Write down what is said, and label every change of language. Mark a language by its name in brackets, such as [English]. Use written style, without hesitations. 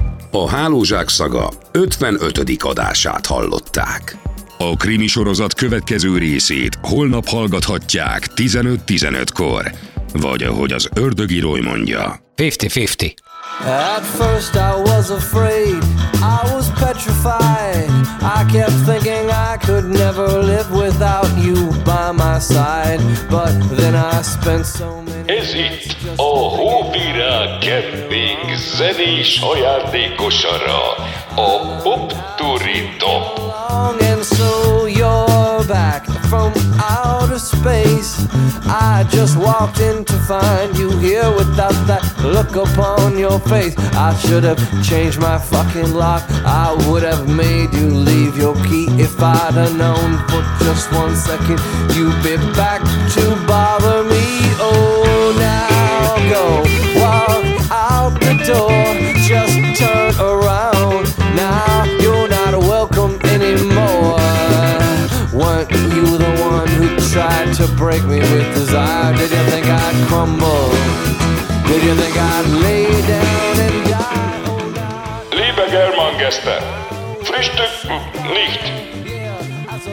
[Hungarian] A Hálózsák szaga 55. adását hallották. A krimi sorozat következő részét holnap hallgathatják 15:15-kor, vagy ahogy az ördögírói mondja. 50-50. [English] At first I was afraid, I was petrified. I kept thinking I could never live without you by my side. But then I spent so many... [Hungarian] Ez itt a Hóbira Camping zenés ajándékosara, a Pop Turi Top. [English] And so you're back from outer space. I just walked in to find you here without that look upon your face. I should have changed my fucking lock. I would have made you leave your key if I'd have known for just one second you'd be back to bother me. Oh, now go walk out the door. Just turn around. Now you're not welcome anymore. Weren't you the one who tried to break me with desire? Did you think I'd crumble? Did you think I'd lay down and die? Oh, [German] liebe Germangäste, Frühstück nicht.